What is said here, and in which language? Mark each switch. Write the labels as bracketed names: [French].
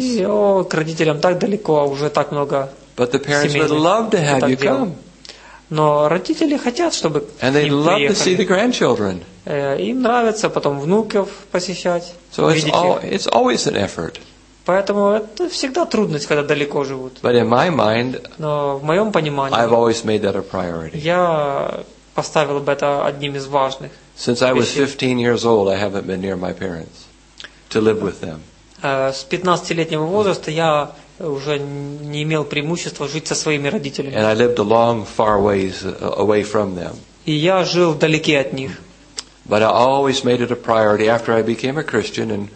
[Russian] И, к родителям так далеко, уже так много. [English] But the parents would love to have you come. [Russian] Но родители хотят, чтобы [English] And they'd love to see the grandchildren. [Russian] Им нравится потом внуков посещать. [English] So it's always an effort. [Russian] Поэтому это всегда трудность, когда далеко живут. [English] But in my mind, [Russian] Но в моем понимании, [English] I've always made that a priority. [Russian] Я поставил бы это одним из важных [English] Since [Russian] вещей. [English] I was 15 years old, I haven't been near my parents to live with them. [Russian] С 15-летнего возраста я уже не имел преимущества жить со своими родителями. [English] And I lived a long, far ways away from them. [Russian] И я жил вдалеке от них. [English] But I always made it a priority after I became a Christian and,